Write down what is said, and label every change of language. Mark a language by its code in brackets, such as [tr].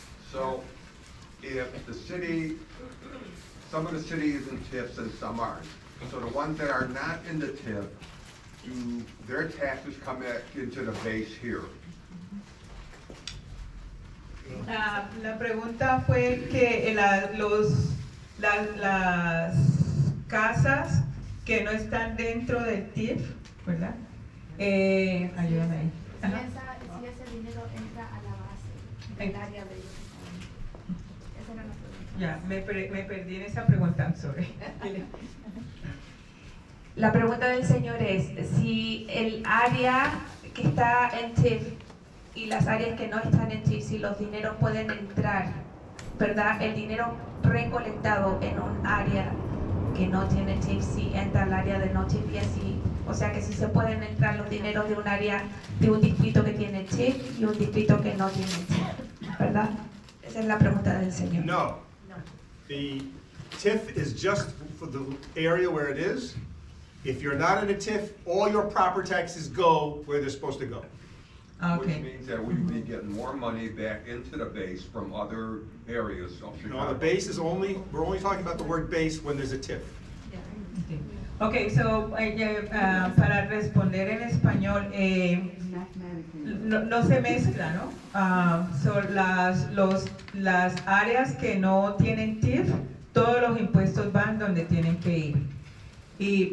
[en] So, if the city, some of the city is in TIFs and some aren't, so the ones that are not in the TIF, their taxes come into the base here. [es] La pregunta fue que las casas que no están dentro del TIF, ¿verdad? Ayúdame ahí. Si ese dinero entra a la base, el área de ellos. Me perdí en esa pregunta, I'm sorry. La pregunta del señor es si el área que está en TIF y las áreas que no están en TIF, si los dineros pueden entrar, ¿verdad? El dinero recolectado en un área que no tiene TIF, si entra al área de no TIF y así. O sea que si se pueden entrar los dineros de un área, de un distrito que tiene TIF y un distrito que no tiene TIF, ¿verdad? Esa es la pregunta del señor. [en] No. The TIF is just for the area where it is. If you're not in a TIF, all your proper taxes go where they're supposed to go. Okay. Which means that we may get more money back into the base from other areas of Chicago. No, the base is only, we're only talking about the word base when there's a TIF. [es] Okay, so para responder en español, no se mezcla, ¿no? Las áreas que no tienen TIF, todos los impuestos van donde tienen que ir.